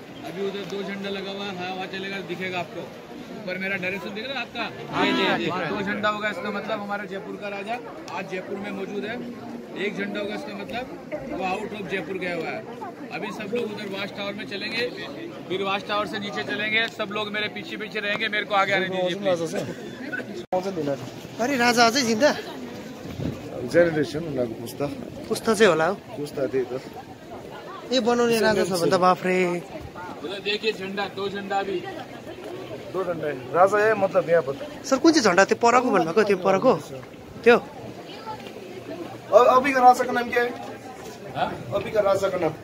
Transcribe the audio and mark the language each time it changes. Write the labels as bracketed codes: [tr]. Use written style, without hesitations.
[hi] अभी उधर दो झंडा लगा हुआ है, हवा चलेगा दिखेगा आपको, पर मेरा डायरेक्शन दिख रहा है आपका, दो झंडा होगा इसका मतलब हमारा जयपुर का राजा आज जयपुर में मौजूद है, एक झंडा होगा इसका मतलब वो आउट ऑफ जयपुर गया हुआ है। अभी सब लोग उधर वॉच टावर में चलेंगे, फिर वॉच टावर से नीचे चलेंगे, सब लोग मेरे पीछे पीछे रहेंगे, मेरे को आगे आने दीजिए। [ne] अरे राजा अझै जिन्दा? जेनेरेसन उनीहरूको पुस्ता पुस्ता चाहिँ होला हौ, पुस्ता त्यही त ए बनाउने राजा छ भने त बाफ्रे [hi] देखे झन्डा दो झन्डा भी [ne] दो झन्डा राजा यही मतलब यहाँ पर सर कुन चाहिँ झन्डा त्यो परको भन्नुभएको त्यो परको त्यो अभिको राजाको नाम के अभिको राजाको नाम